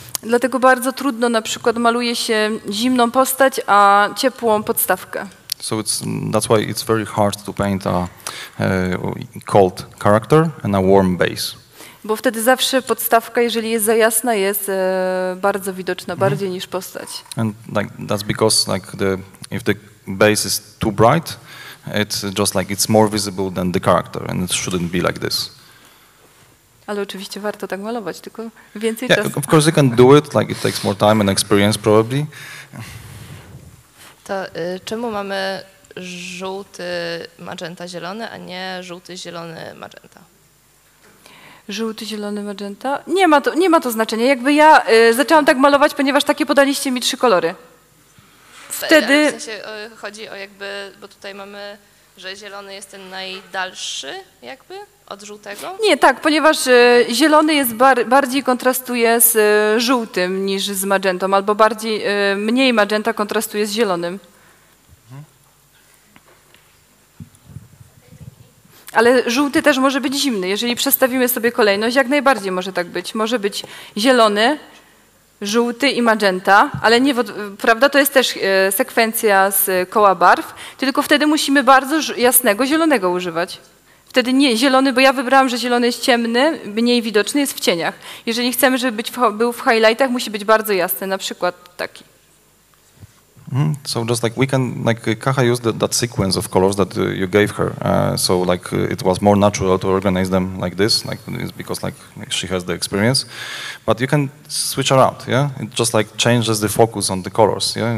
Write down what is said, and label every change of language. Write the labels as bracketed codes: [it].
[pl] Dlatego bardzo trudno na przykład maluje się zimną postać, a ciepłą podstawkę. [en] So it's, that's why it's very hard to paint a cold character and a warm base. [pl] Bo wtedy zawsze podstawka, jeżeli jest za jasna, jest bardzo widoczna, mm-hmm. bardziej niż postać. [en] And like that's because like the if the base is too bright, it's just like it's more visible than the character and it shouldn't be like this. [pl] Ale oczywiście warto tak malować, tylko więcej czasu. [en] Of course you can do it, like it takes more time and experience probably. [pl] To czemu mamy żółty magenta zielony, a nie żółty zielony magenta? Żółty zielony magenta? Nie ma to znaczenia. Jakby ja zaczęłam tak malować, ponieważ takie podaliście mi trzy kolory. Wtedy w sensie chodzi o jakby, bo tutaj mamy, że zielony jest ten najdalszy jakby od żółtego? Nie, tak, ponieważ zielony jest bardziej kontrastuje z żółtym niż z magentą, albo bardziej mniej magenta kontrastuje z zielonym. Ale żółty też może być zimny, jeżeli przestawimy sobie kolejność, jak najbardziej może tak być. Może być zielony, żółty i magenta, ale nie, prawda, to jest też sekwencja z koła barw, tylko wtedy musimy bardzo jasnego zielonego używać. Wtedy nie zielony, bo ja wybrałam, że zielony jest ciemny, mniej widoczny, jest w cieniach. Jeżeli chcemy, żeby był w highlightach, musi być bardzo jasny, na przykład taki. [en] So just like we can, like Kaha used that sequence of colors that you gave her. So like it was more natural to organize them like this, like it's because like she has the experience. But you can switch around, yeah? It just like changes the focus on the colors, yeah?